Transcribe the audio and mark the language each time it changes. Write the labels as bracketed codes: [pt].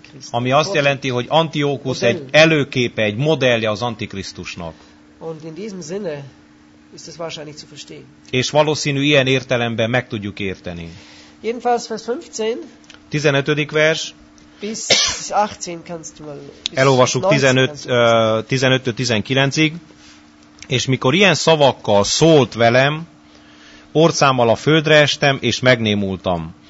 [hu] Ami azt jelenti, hogy Antiochus egy előképe, egy modellje az Antikrisztusnak. [de] Und in diesem Sinne ist es wahrscheinlich zu verstehen. [hu] És valószínű, ilyen értelemben meg tudjuk érteni. [de] Jedenfalls Vers 15. [hu] 15. vers. [de] Bis 18 kannst du mal. [hu] Elolvassuk 15-19-ig. És mikor ilyen szavakkal szólt velem, orcámmal a földre estem, és megnémultam.